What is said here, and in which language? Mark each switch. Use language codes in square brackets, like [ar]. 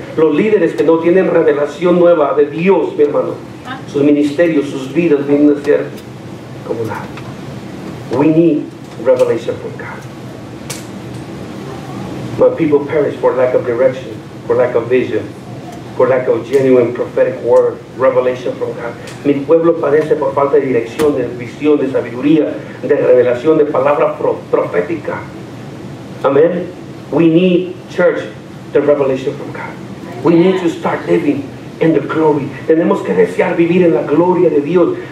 [es] Los líderes que no tienen revelación nueva de Dios, mi hermano, sus ministerios, sus vidas vienen a ser como nada. [en] We need revelation from God. But people perish for lack of direction, for lack of vision, for lack of genuine prophetic word, revelation from God. [es] Mi pueblo padece por falta de dirección, de visión, de sabiduría, de revelación, de palabra profética. [en] Amen. We need, church, the revelation from God. We need to start living in the glory. [es] Tenemos que desear vivir en la gloria de Dios.